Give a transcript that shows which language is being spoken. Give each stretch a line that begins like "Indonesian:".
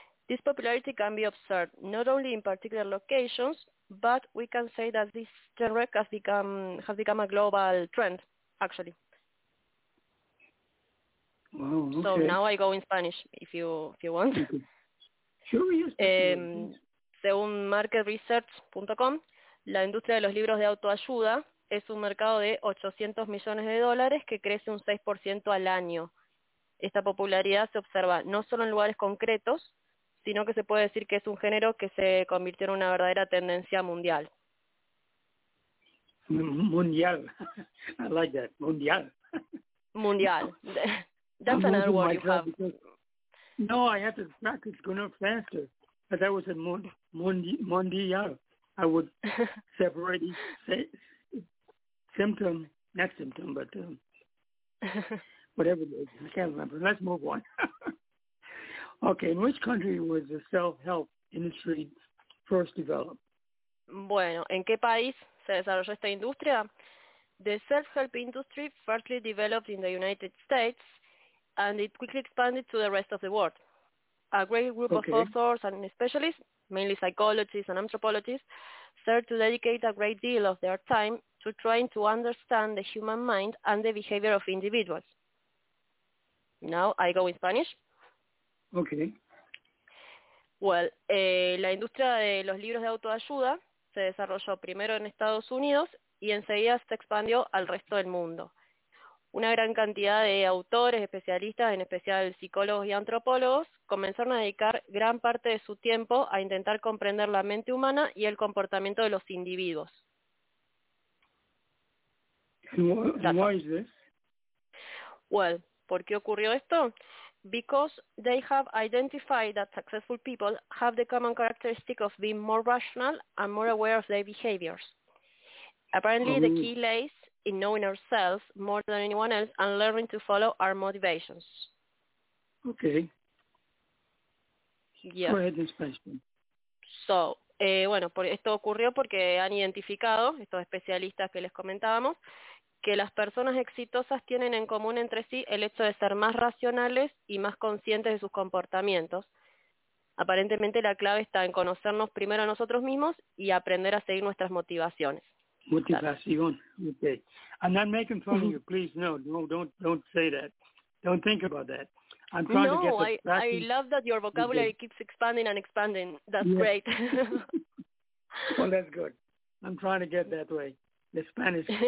English: This popularity can be observed not only in particular locations, but we can say that this genre has become a global trend, actually. Wow, okay. So now I go in Spanish, if you want. Sure, yes.
Spanish: Según marketresearch.com, la industria de los libros de autoayuda es un mercado de $800 millones que crece un 6% al año. Esta popularidad se observa no solo en lugares concretos, sino que se puede decir que es un género que se convirtió en una verdadera tendencia mundial.
English: Mundial. I like that. Mundial. Mundial. That's another word you have. No, I have to practice going up faster. As I was in mundial, I would separate symptom, next symptom, but whatever it is, I can't remember. Let's move on. Okay, in which country was the self-help industry first developed?
Spanish: Bueno, ¿en qué país se desarrolló esta industria?
English: The self-help industry firstly developed in the United States, and it quickly expanded to the rest of the world. A great group of authors and specialists, mainly psychologists and anthropologists, started to dedicate a great deal of their time to trying to understand the human mind and the behavior of individuals. Now I go in Spanish. Okay.
Spanish: Well, la industria de los libros de autoayuda se desarrolló primero en Estados Unidos y enseguida se expandió al resto del mundo. Una gran cantidad de autores, especialistas, en especial psicólogos y antropólogos, comenzaron a dedicar gran parte de su tiempo a intentar comprender la mente humana y el comportamiento de los individuos.
English: Why is this?
Spanish: Well, ¿por qué ocurrió esto?
English: Because they have identified that successful people have the common characteristic of being more rational and more aware of their behaviors. Apparently, the key lays in knowing ourselves more than anyone else and learning to follow our motivations. Okay. Yes. Go ahead and explain.
Spanish: So, esto ocurrió porque han identificado, estos especialistas que les comentábamos, que las personas exitosas tienen en común entre sí el hecho de ser más racionales y más conscientes de sus comportamientos. Aparentemente la clave está en conocernos primero a nosotros mismos y aprender a seguir nuestras motivaciones.
English: Motivación, okay. I'm not making fun of you, please, no, don't say that. Don't think about that. I'm trying to get the practice. I love that your vocabulary keeps expanding and expanding. That's great. Well, that's good. I'm trying to get that way. The Spanish...